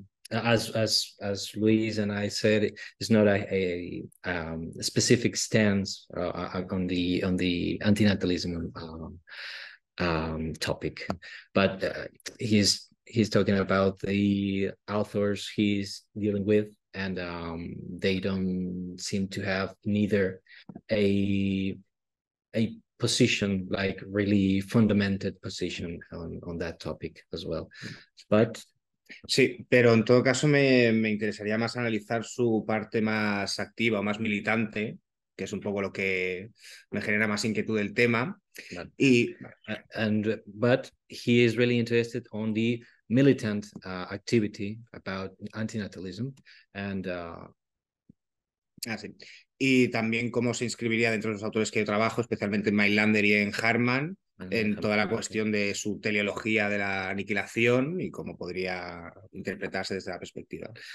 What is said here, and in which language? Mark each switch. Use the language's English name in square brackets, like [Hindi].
[English] As Luis and I said, it's not a specific stance on the antinatalism topic, but he's talking about the authors he's dealing with, and they don't seem to have neither a position, like really fundamented position on that topic as well, but. [Spanish] Sí, pero en todo caso me interesaría más analizar su parte más activa o más militante, que es un poco lo que me genera más inquietud del tema. [English] But, but he is really interested on the militant activity about antinatalism and [Spanish] sí. Y también cómo se inscribiría dentro de los autores que yo trabajo, especialmente en Mailander y en Hartmann. En toda la cuestión de su teleología de la aniquilación y cómo podría interpretarse desde la perspectiva.